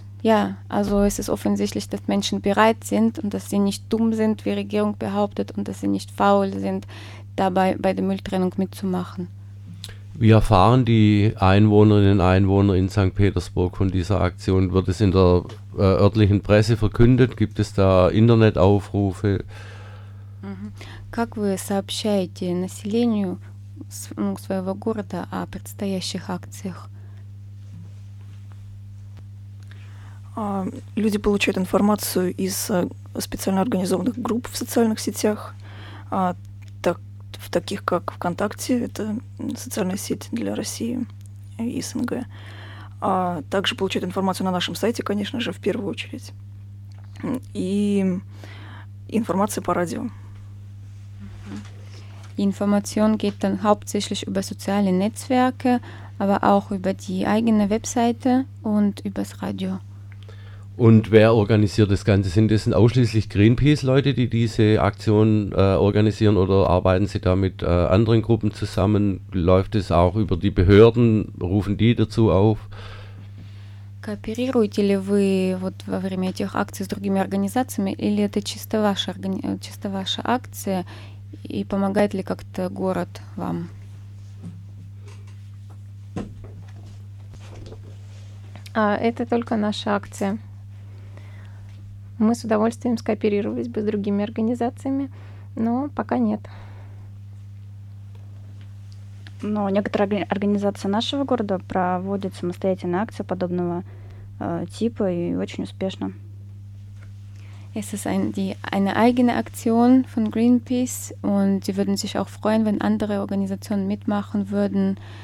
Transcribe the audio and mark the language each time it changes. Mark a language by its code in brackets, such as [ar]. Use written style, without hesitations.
[de] Ja, also es ist offensichtlich, dass Menschen bereit sind und dass sie nicht dumm sind, wie Regierung behauptet, und dass sie nicht faul sind, dabei bei der Mülltrennung mitzumachen. Wie erfahren die Einwohnerinnen und Einwohner in St. Petersburg von dieser Aktion? Wird es in der örtlichen Presse verkündet? Gibt es da Internetaufrufe? [ru] Как вы сообщаете населению своего города о предстоящих акциях? Люди получают информацию из специально организованных групп в социальных сетях, в таких как ВКонтакте, это социальная сеть для России и СНГ. Также получают информацию на нашем сайте, конечно же, в первую очередь. И информация по радио. [de] Information geht dann hauptsächlich über soziale Netzwerke, aber auch über die eigene Webseite und übers Radio. Und wer organisiert das Ganze? Sind das ausschließlich Greenpeace-Leute, die diese Aktion organisieren, oder arbeiten sie da mit anderen Gruppen zusammen? Läuft es auch über die Behörden? Rufen die dazu auf? [ru] Кооперируете ли вы вот во время этих акций с другими организациями, или это чисто ваша, чисто ваша акция? И помогает ли как-то город вам? А это только наша акция. Мы с удовольствием скооперировались бы с другими организациями, но пока нет. Но некоторые организации нашего города проводят самостоятельные акции подобного типа и очень успешно. [de] Es ist eine eigene Aktion von Greenpeace, und sie würden sich auch freuen, wenn andere Organisationen mitmachen würden.